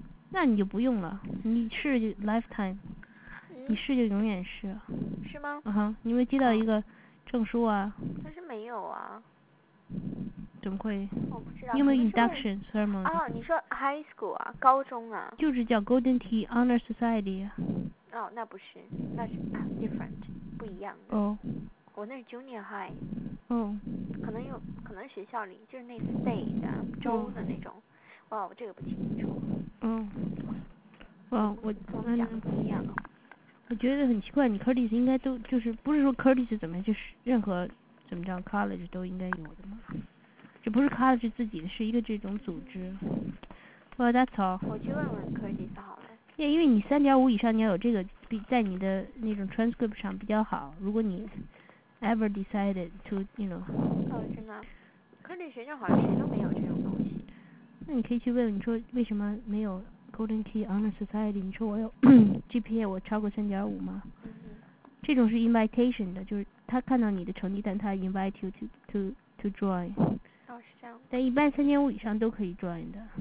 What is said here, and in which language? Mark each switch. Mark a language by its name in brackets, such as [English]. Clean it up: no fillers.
[Chinese] 那你就不用了，你是 lifetime。你是就永远是，是吗？嗯哼，你有没有接到一个证书啊？但是没有啊。怎么会？我不知道。你有没有 induction ceremony？啊，你说 high school 啊，高中啊？就是叫 Golden Tee Honor Society。哦，那不是，那是、different， 不一样的。哦。我那是 junior high。哦。可能学校里就是那 state 的州的那种。哦、哇，我这个不清楚。哦。哇，我们两个不一样。我觉得很奇怪，你 Curtis 应该都就是不是说 Curtis 怎么就是任何怎么着 college 都应该有的嘛，这不是 college 自己的，是一个这种组织。 [English] Well, that's all。 [Chinese] 我去问问 Curtis 好了。 [English] Yeah, [Chinese] 因为你3.5以上，你要有这个，比在你的那种 transcript 上比较好。如果你 [English] ever decided to， you know。 [Chinese] 哦，真的。 Curtis 学校好像谁都没有这种东西。那你可以去问问，你说为什么没有？ Golden Key Honor Society， 你说我有GPA 我超过3.5吗？这种是 invitation 的，就是他看到你的成绩单，他 [English] invite you to join。 [Chinese] 哦，是这样。但一般3.5以上都可以 join 的。